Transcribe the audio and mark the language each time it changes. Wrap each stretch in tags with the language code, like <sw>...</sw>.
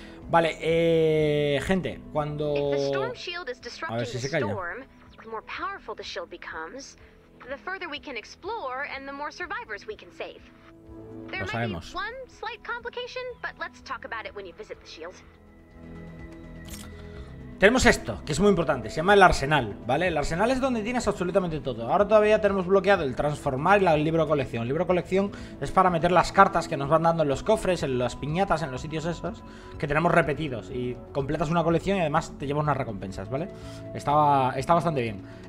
<es>Vale, gente, cuando a ver si se calla.</es> <en>The more powerful the shield becomes, the further we can explore and the more survivors we can save.</en> <es>Lo sabemos.</es> <en>One slight complication, but let's talk about it when you visit the shield.</en> <es>Tenemos esto, que es muy importante, se llama el arsenal, ¿vale? El arsenal es donde tienes absolutamente todo. Ahora todavía tenemos bloqueado el transformar y el libro de colección. El libro de colección es para meter las cartas que nos van dando en los cofres, en las piñatas, en los sitios esos, que tenemos repetidos. Y completas una colección y además te llevas unas recompensas, ¿vale? Está bastante bien.</es>